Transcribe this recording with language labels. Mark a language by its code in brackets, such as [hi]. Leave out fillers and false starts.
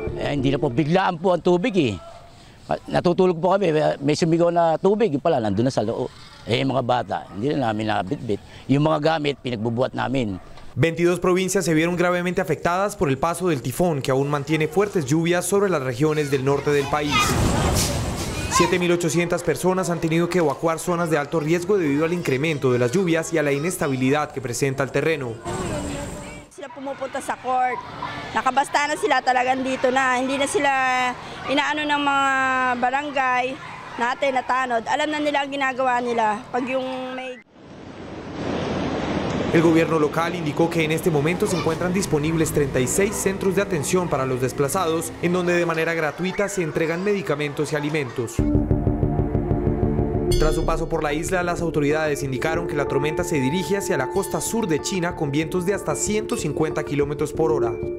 [tl] Hindi na po biglaan po ang tubig eh. Natutulog po kami, may sumigaw na tubig pala, nandun na sa loob. Eh, mga bata, hindi na namin nabit-bit. Yung mga gamit, pinagbubuhat namin. [es] 22 provincias se vieron gravemente afectadas por el paso del tifón, que aún mantiene fuertes lluvias sobre las regiones del norte del país. 7.800 personas han tenido que evacuar zonas de alto riesgo debido al incremento de las lluvias y a la inestabilidad que presenta el terreno. [tl] Sila pumupunta sa court. Nakabasta na sila talagang dito na. Hindi na sila inaano ng mga barangay natin na tanod. Alam na nila ang ginagawa nila pag yung may... [es] El gobierno local indicó que en este momento se encuentran disponibles 36 centros de atención para los desplazados, en donde de manera gratuita se entregan medicamentos y alimentos. Tras su paso por la isla, las autoridades indicaron que la tormenta se dirige hacia la costa sur de China con vientos de hasta 150 kilómetros por hora.